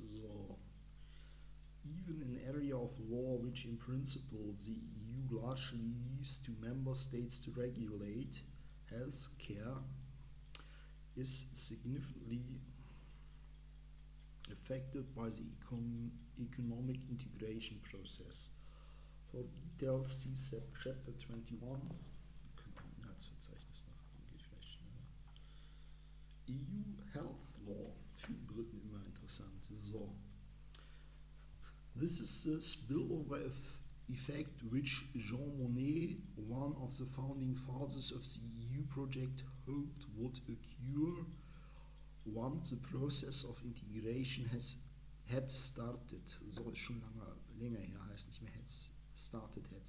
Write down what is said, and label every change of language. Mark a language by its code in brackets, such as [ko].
[en] So, even an area of law which in principle the EU largely leaves to member states to regulate healthcare is significantly affected by the economic integration process. For details, see chapter 21. [de] Wir könnten ein Inhaltsverzeichnis noch haben, geht vielleicht schneller. [en] EU Health Law. [de] Für die Briten immer interessant. So. [en] This is the spillover effect which Jean Monnet, one of the founding fathers of the EU project, hoped would occur once the process of integration had started. [de] So, ist schon länger her, heißt nicht mehr had started.